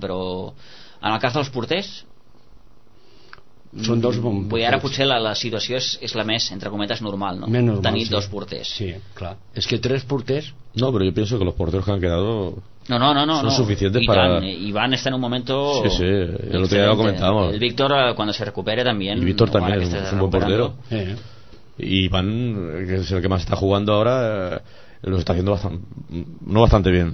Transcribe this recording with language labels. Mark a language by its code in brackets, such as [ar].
[ca] Però en el cas dels porters són dos bons, potser ara potser la situació és la més entre cometes normal, no? Més normal tenir dos porters. Sí, clar, és que tres porters no, però jo penso que els porters que han quedat no, [es] suficientes [ca] per Ivan està en un moment [es] sí, el otro día lo comentábamos, [ca] el Víctor quan se recupere també, [es] y Víctor [ca] també és un bon [es] portero i Ivan, que és el que más està jugando ahora, lo está haciendo bastante bien.